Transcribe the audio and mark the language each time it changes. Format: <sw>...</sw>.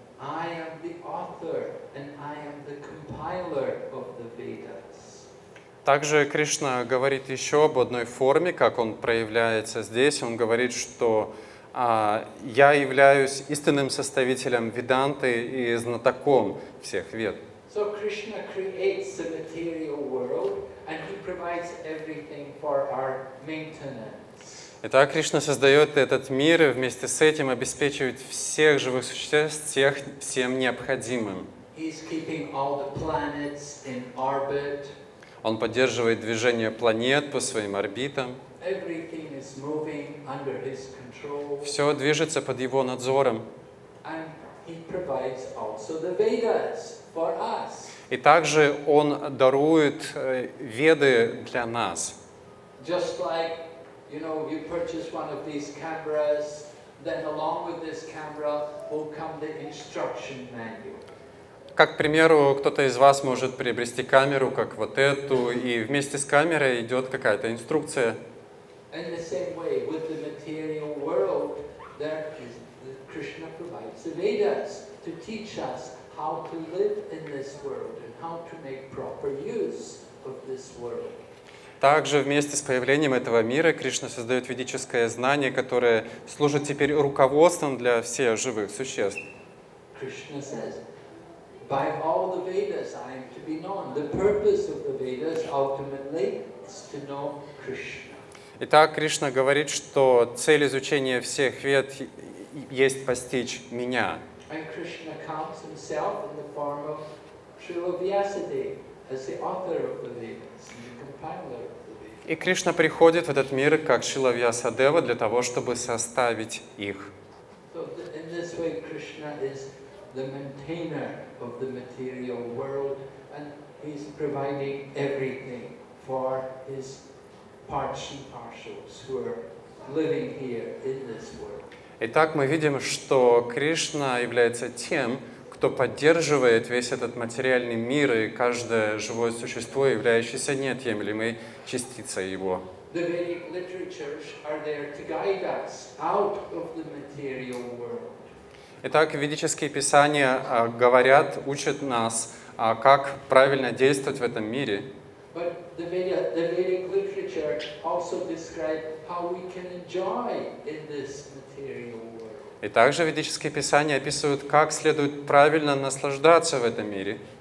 <en>I am the author and I am the compiler of the Vedas."</en> <ru>Также Кришна говорит еще об одной форме, как он проявляется здесь. Он говорит, что я являюсь истинным составителем Веданты и знатоком всех Вед.</ru> <en>So Krishna creates the material world. And he provides everything for our maintenance.</en> <ru>Итак, Кришна создает этот мир и вместе с этим обеспечивает всех живых существ всем необходимым.</ru> <en>He's keeping all the planets in orbit.</en> <ru>Он поддерживает движение планет по своим орбитам.</ru> <en>Everything is moving under his control.</en> <ru>Все движется под его надзором.</ru> <en>And he provides also the Vedas for us.</en> <ru>И также Он дарует Веды для нас.</ru> <en>Just like, you know, you purchase one of these cameras, then along with this camera will come the instruction manual.</en> <ru>Как, к примеру, кто-то из вас может приобрести камеру, как вот эту, и вместе с камерой идет какая-то инструкция.</ru> <en>In the same way, with the material world, there is, Krishna provides the Vedas to teach us how to live in this world and how to make proper use of this world.</en> <ru>Также вместе с появлением этого мира Кришна создает ведическое знание, которое служит теперь руководством для всех живых существ.</ru> <en>Krishna says, by all the Vedas I am to be known. The purpose of the Vedas ultimately is to know Krishna.</en> <ru>Итак, Кришна говорит, что цель изучения всех Вед есть постичь меня.</ru> <en>And Krishna comes himself in the form of Śrīla Vyāsadeva as the author of the Vedas, the compiler of the Vedas.</en> <ru>И Кришна приходит в этот мир как Śrīla Vyāsadeva для того, чтобы составить их.</ru> <en>So in this way, Krishna is the maintainer of the material world, and he's providing everything for his parshipārshals who are living here in this world.</en> <ru>Итак, мы видим, что Кришна является тем, кто поддерживает весь этот материальный мир и каждое живое существо, являющееся неотъемлемой частицей его.</ru> <en>The Vedic literatures are there to guide us out of the material world.</en> <ru>Итак, ведические писания говорят, учат нас, как правильно действовать в этом мире.</ru> <en>But the Vedic literature also describes how we can enjoy in this.</en> <ru>И также ведические писания описывают, как следует правильно наслаждаться в этом мире.</ru>